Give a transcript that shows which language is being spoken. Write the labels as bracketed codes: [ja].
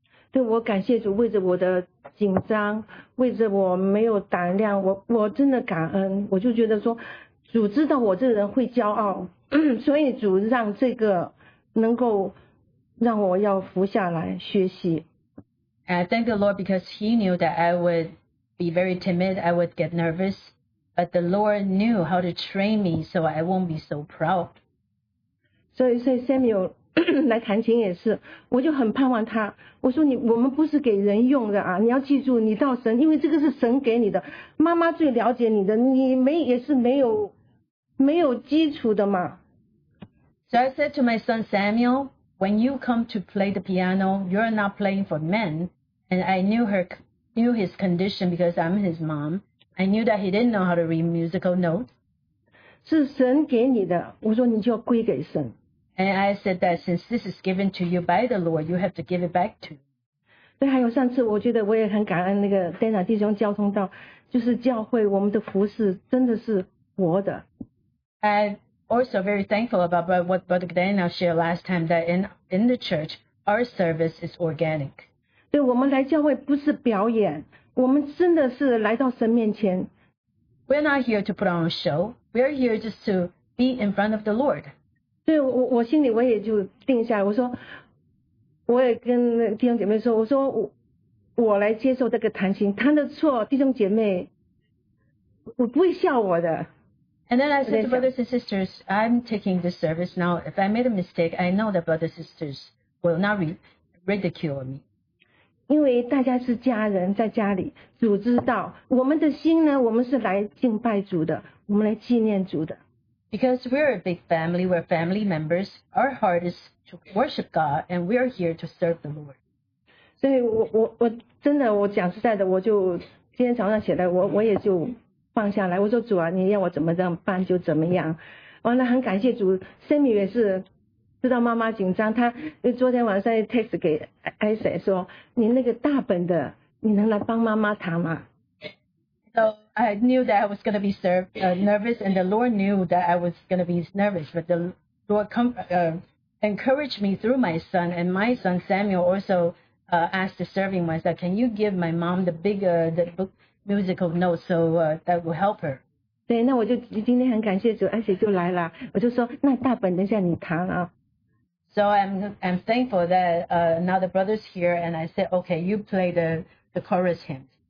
[zh] 对，我感谢主，为着我的紧张，为着我没有胆量，我真的感恩。我就觉得说，主知道我这个人会骄傲，所以主让这个。能够让我要服下来学习。 [en] I thank the Lord because He knew that I would be very timid, I would get nervous, but the Lord knew how to train me so I won't be so proud. [zh] 所以 Samuel 来弹琴也是，我就很盼望他。我说我们不是给人用的啊，你要记住，你到神，因为这个是神给你的，妈妈最了解你的，你没也是没有基础的嘛。 [en] So I said to my son Samuel, when you come to play the piano, you're not playing for men. And I knew his condition because I'm his mom. I knew that he didn't know how to read musical notes. [zh] 是神给你的，我说你就要归给神。 [en] And I said that since this is given to you by the Lord, you have to give it back to him. [zh] 对，还有上次我觉得我也很感恩那个 Dana 弟兄交通道，就是教会我们的服事真的是活的。 [en] Also very thankful about what Brother Dana shared last time, that in the church, our service is organic. [zh] 对，我们来教会不是表演，我们真的是来到神面前。 [en] We're not here to put on a show. We're here just to be in front of the Lord. [zh] 对，我心里我也就定下来，我说，我也跟弟兄姐妹说，我说我来接受这个弹琴，弹的错，弟兄姐妹，我不会笑我的。 [en] And then I said to brothers and sisters, I'm taking this service now. If I made a mistake, I know that brothers and sisters will not ridicule me. [zh] 因为大家是家人，在家里，主知道我们的心呢，我们是来敬拜主的，我们来纪念主的。 [en] Because we're a big family, we're family members. Our heart is to worship God, and we are here to serve the Lord. [zh] 所以我真的，我讲实在的，我就今天早上起来，我也就。放下来，我说主啊，你要我怎么这样办就怎么样。完了，很感谢主 ，Sammy 也是知道妈妈紧张，他昨天晚上 text 给 Isaac 说，你那个大本的，你能来帮妈妈弹吗 [en] ？So I knew that I was going to be nervous, and the Lord knew that I was going to be nervous, but the Lord encouraged me through my son, and my son Samuel also asked the serving ones that can you give my mom the book. Musical note, so that will help her. [zh] 对，那我就今天很感谢主，而且就来了，我就说那大本等下你弹啊。 [en] So I'm thankful that now the brother's here, and I said, okay, you play the chorus hymn.